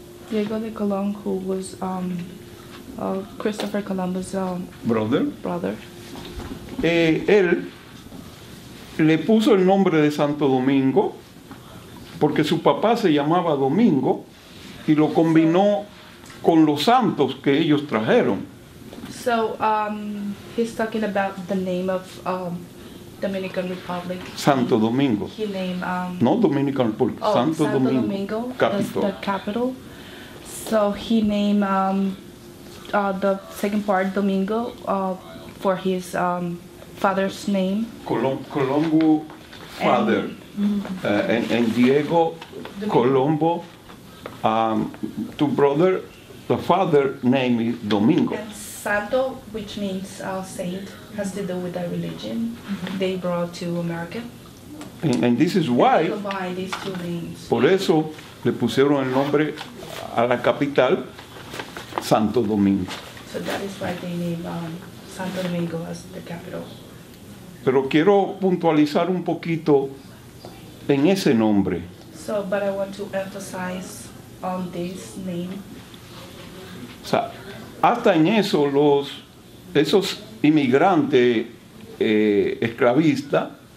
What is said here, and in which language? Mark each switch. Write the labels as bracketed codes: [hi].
[en] Diego de Colón, who was Christopher Columbus' brother. [es] Él le puso el nombre de Santo Domingo porque su papá se llamaba Domingo y lo combinó con los santos que ellos trajeron. [en] So he's talking about the name of Dominican Republic. Santo Domingo. He named not Dominican Republic. Oh, Santo Domingo. Capital. The capital. So he named the second part Domingo for his father's name. Colombo father. And Diego Colombo, to brother, the father name is Domingo. And Santo, which means saint, has to do with the religion they brought to America. And this is why. Combine these two names. [es] Por eso le pusieron el nombre a la capital Santo Domingo. [en] So that is why they named Santo Domingo as the capital. [es] Pero quiero puntualizar un poquito en ese nombre. [en] So, but I want to emphasize on this name. [es] O sea, hasta en eso los esos inmigrantes esclavistas.